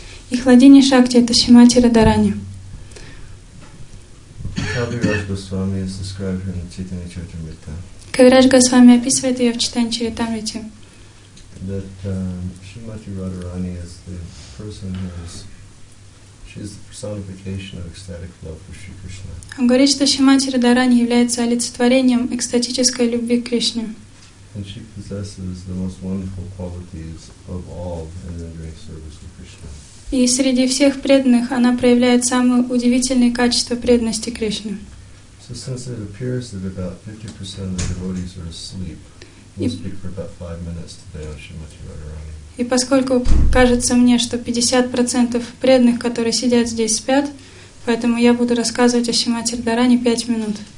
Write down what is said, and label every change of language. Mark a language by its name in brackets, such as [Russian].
[Russian] И Хладини Шакти — это Шимати Радарани. [English] Кавираж Госвами is described in Чайтанья Чаритамрита. [Russian] Кавираж Госвами описывает ее в Чайтанья Чаритамрите. [English] That Шимати Радарани is the person who is She's the personification of ecstatic love for Shri Krishna. [Russian] Он говорит, что Шримати Радарани является олицетворением экстатической любви к Кришне. [English] And she possesses the most wonderful qualities of all in rendering service to Krishna. [Russian] И среди всех преданных она проявляет самые удивительные качества преданности Кришне. [English] So since it appears that about 50% of the devotees are asleep, we'll speak for about 5 minutes today on Shrimati Radharani. [Russian] И поскольку кажется мне, что 50% преданных, которые сидят здесь, спят, поэтому я буду рассказывать о Шримати Радарани 5 минут.